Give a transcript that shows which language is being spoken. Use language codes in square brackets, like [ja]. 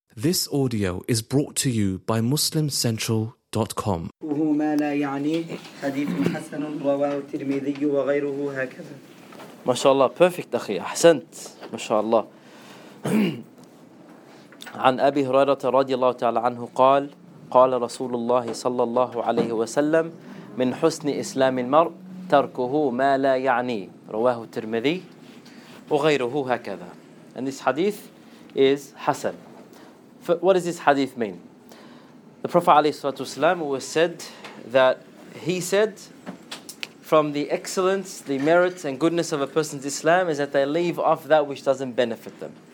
[en] This audio is brought to you by MuslimCentral.com. [ar] وهو ما لا يعني حديث حسن رواه الترمذي وغيره هكذا. ما شاء الله perfect أخي أحسنت ما شاء الله. عن أبي هريرة رضي الله تعالى عنه قال قال رسول الله صلى الله عليه وسلم من حسن إسلام المرء تركه ما لا يعني رواه الترمذي وغيره هكذا. [en] And this hadith is Hassan. What does this hadith mean? The Prophet ﷺ was said that he said from the excellence, the merits and goodness of a person's Islam is that they leave off that which doesn't benefit them.